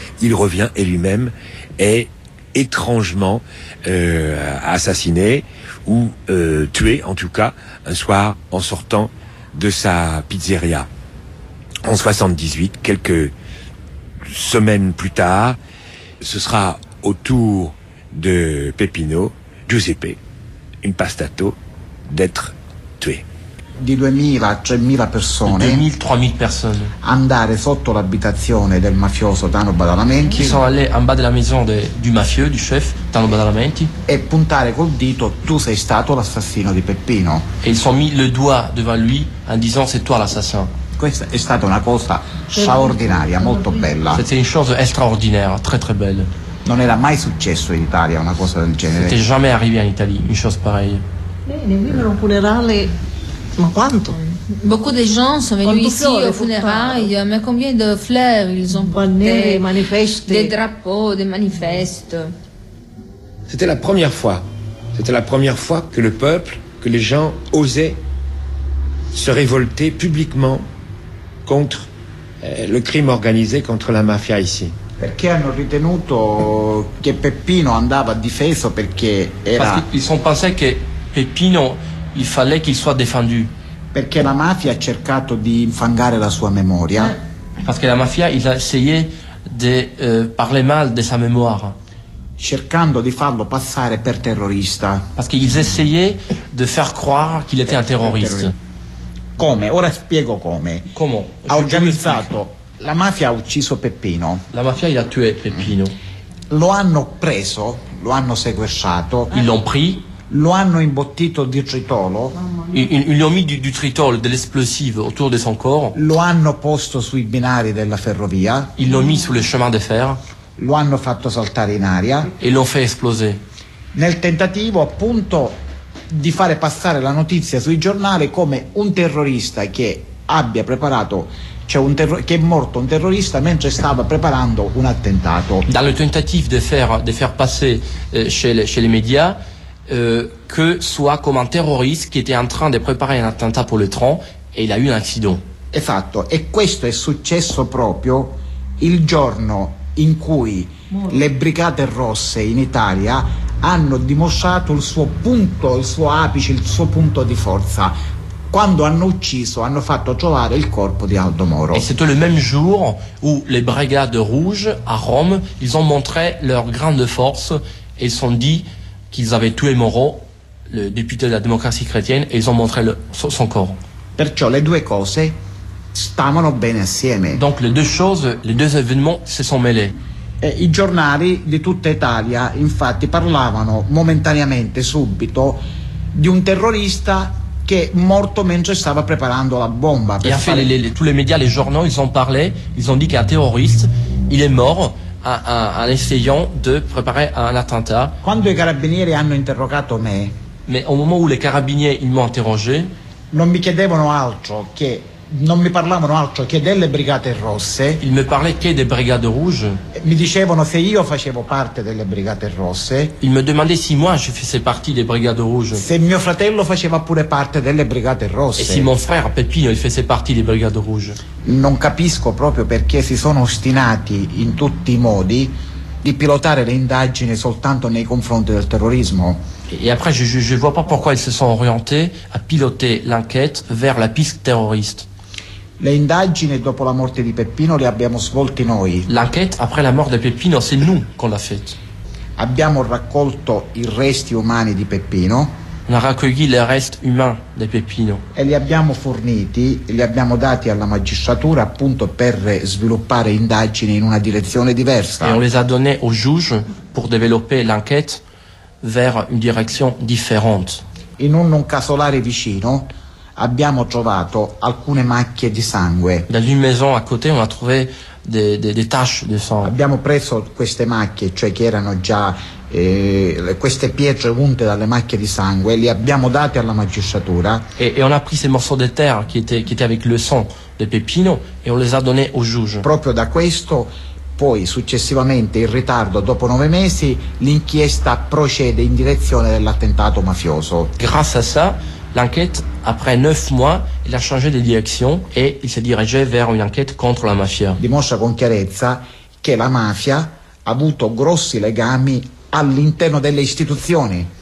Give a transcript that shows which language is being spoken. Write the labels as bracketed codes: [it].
[fr] Il revient et lui-même est étrangement assassiné ou tué, en tout cas, un soir en sortant de sa pizzeria. En 78, quelques semaines plus tard, ce sera au tour de Peppino, Giuseppe Impastato, d'être tué. [it] Di 2000 a 3000 persone. 2000, 3000 persone. Andare sotto l'abitazione del mafioso Tano Badalamenti. [fr] Qui sont allés en bas de la maison du mafieux, du chef Tano Badalamenti. [it] E puntare col dito, tu sei stato l'assassino di Peppino. [fr] E ils ont mis le doigt devant lui en disant c'est toi l'assassin. [it] Questa è stata una cosa straordinaria, molto bella. [fr] C'était une chose extraordinaire, très très belle. [it] Non era mai successo in Italia una cosa del genere. [fr] C'était jamais arrivé en Italie une chose pareille. [it] Bene, qui me lo Ma quanto? [fr] Beaucoup de gens sont venus [it] quanto [fr] ici aux funérailles, mais combien de fleurs ils ont portées, des drapeaux, des manifestes. C'était la première fois que le peuple, que les gens osaient se révolter publiquement contre le crime organisé, contre la mafia ici. [it] Perché hanno ritenuto che Peppino andava difeso perché era... [fr] Parce qu'ils ont pensé que Peppino... Il fallait qu'il soit défendu. [it] Perché la mafia ha cercato di infangare la sua memoria. [fr] Parce que la mafia il a essayé de parler mal de sa mémoire. [it] Cercando di farlo passare per terrorista. [fr] Parce qu'ils essayaient de faire croire qu'il était un terroriste. [it] Come? Ora spiego come. Come? Ha organizzato. La mafia ha ucciso Peppino. [fr] La mafia il a tué Peppino. [it] Lo hanno preso, lo hanno sequestrato. [fr] Ils l'ont pris. [it] Lo hanno imbottito di tritolo. [fr] Ils lui ont mis du tritolo, de l'esplosive autour de son corps. [it] Lo hanno posto sui binari della ferrovia. [fr] Ils l'ont mis sur le chemin de fer. [it] Lo hanno fatto saltare in aria. [fr] Et l'ont fait exploser. [it] Nel tentativo appunto di fare passare la notizia sui giornali come un terrorista che abbia preparato, cioè un che è morto un terrorista mentre stava preparando un attentato. [fr] Dans le tentative de faire passer chez les médias que soit comme un terroriste qui était en train de préparer un attentat pour le tronc et il a eu un accident. [it] Esatto, e questo è successo proprio il giorno in cui le Brigate Rosse in Italia hanno dimostrato il suo punto, il suo apice, il suo punto di forza. Quando hanno ucciso, hanno fatto trovare il corpo di Aldo Moro. [fr] E c'était le même jour où les Brigades Rouges à Rome, ils ont montré leur grande force et ils sont dit qu'ils avaient tué Moreau, le député de la démocratie chrétienne, et ils ont montré son corps. [it] Perciò le due cose stavano bene assieme. [fr] Donc les deux événements se sont mêlés. [it] Et i giornali di tutta Italia, infatti, parlavano momentaneamente, subito, di un terrorista che morto mentre stava preparando la bomba. [fr] Et enfin, tous les médias, les journaux, ils ont parlé, ils ont dit qu'un terroriste, il est mort, en essayant de préparer un attentat. [it] Quando i carabinieri hanno interrogato me, [fr] mais au moment où les carabiniers ils m'ont interrogé, [it] non mi chiedevano altro che non mi parlavano altro che delle Brigate Rosse. [fr] Ils me parlaient que des Brigades Rouges. [it] Mi dicevano se io facevo parte delle Brigate Rosse. [fr] Ils me demandaient si moi je faisais partie des Brigades Rouges. [it] Se mio fratello faceva pure parte delle Brigate Rosse. [fr] Et si mon frère Peppino il faisait partie des Brigades Rouges. [it] Non capisco proprio perché si sono ostinati in tutti i modi di pilotare le indagini soltanto nei confronti del terrorismo. [fr] Et après je vois pas pourquoi ils se sont orientés à piloter l'enquête vers la piste terroriste. [it] Le indagini dopo la morte di Peppino le abbiamo svolte noi. [fr] L'enquête après la mort de Peppino c'est nous qu'on l'a fait. [it] Abbiamo raccolto i resti umani di Peppino. [fr] On a [it] raccogli [fr] les restes humains de Peppino. [it] E li abbiamo forniti, li abbiamo dati alla magistratura appunto per sviluppare indagini in una direzione diversa. [fr] E on les a donné au juge pour développer l'enquête vers une direction différente. [it] In un non casolare vicino abbiamo trovato alcune macchie di sangue. [fr] Dans une maison à côté, on a trouvé des taches de sang. [it] Abbiamo preso queste macchie, cioè che erano già queste pietre unte dalle macchie di sangue, li abbiamo date alla magistratura. [fr] E on a pris ces morceaux de terre qui étaient avec le sang de Peppino et on les a donné au juge. [it] Proprio da questo poi successivamente in ritardo dopo 9 mesi l'inchiesta procede in direzione dell'attentato mafioso. [fr] Grâce à ça, l'enquête après 9 mois, il a changé de direction et il s'est dirigé vers une enquête contre la mafia. [it] Dimostra con chiarezza che la mafia ha avuto grossi legami all'interno delle istituzioni.